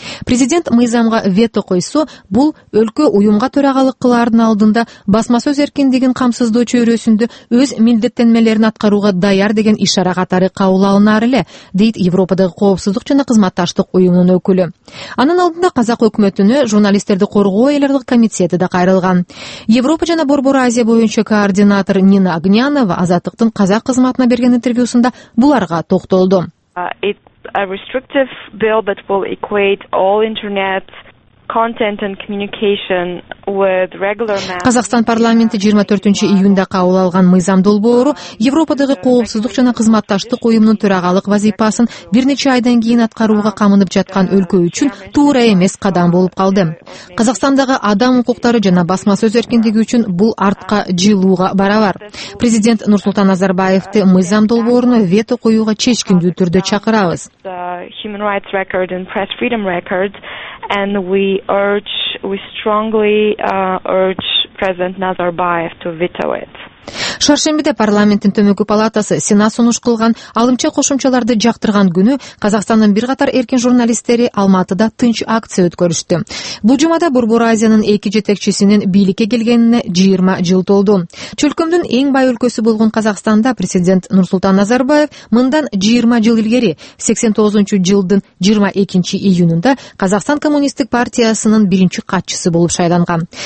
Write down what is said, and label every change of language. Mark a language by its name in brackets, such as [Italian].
[Kyrgyz] Президент мыйзамга вето койсо, бул өлкө уюмга төрагалык кылардын алдында басма сөз эркиндигин камсыздоо чөйрөсүндө өз милдеттенмелерин аткарууга даяр деген ишара катары кабыл алынар эле, дейт Европадагы коопсуздук жана кызматташтык уюмунун өкүлү. Анын алдында Казак өкмөтүнө журналисттерди коргоо эл аралык комитети да кайрылган. Европа жана Борбор Азия боюнча координатор Нина Агнянова Азаттыктын Казак кызматына берген интервьюсунда буларга токтолду. [English] A restrictive bill that will equate all internet content and communication with regular mass. [Kyrgyz] Казакстан парламенти 24 июнда кабыл алган мыйзам долбоору Европадагы коопсуздук жана кызматташтык уюмунун төрагалык вазыйпасын бир нече айдан кийин аткарууга камынып жаткан өлкө үчүн туура эмес кадам болуп калды. Казакстандагы адам укуктары жана басма сөз эркиндиги үчүн бул артка жылууга барабар. Президент Нурсултан Назарбаевди мыйзам долбооруна вето коюуга чечкиндүү түрдө чакырабыз. [English] Human rights record and press freedom record and we strongly urge President Nazarbayev to veto it. [Kyrgyz] Шаршембиде парламенттин төмөнкү палатасы Сенат сунуш кылган алымча кошумчаларды жактырган күнү Казакстандын бир катар эркин журналисттери Алматыда тынч акция өткөрүштү. Бул жумада Борбор Азиянын эки жетекчисинин бийликке келгенине 20 жыл толду. Чөлкөмдүн эң бай өлкөсү болгон Казакстанда президент Нурсултан Назарбаев мындан 20 жыл илгери 89 жылдын 22 июнунда Казакстан коммунисттик партиясынын биринчи катчысы болуп шайланган.